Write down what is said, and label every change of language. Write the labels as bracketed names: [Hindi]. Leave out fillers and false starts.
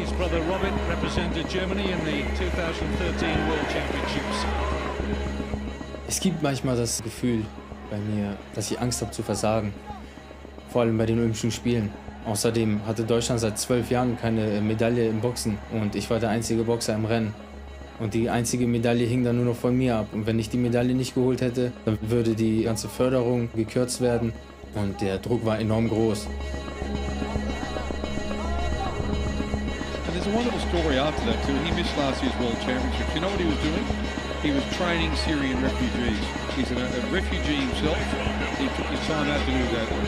[English] His brother Robert represented Germany in the 2013 World Championships. [German] Es gibt manchmal das Gefühl bei mir, dass ich Angst habe zu versagen, vor allem bei den Olympischen Spielen. Außerdem hatte Deutschland seit 12 Jahren keine Medaille im Boxen und ich war der einzige Boxer im Rennen. Und die einzige Medaille hing dann nur noch von mir ab. Und wenn ich die Medaille nicht geholt hätte, dann würde die ganze Förderung gekürzt werden und der Druck war enorm groß. [English] And there's a wonderful story after that too. He missed last year's World Championships. You know what he was doing? He was training Syrian refugees. He's a refugee himself. He took his time out to do that.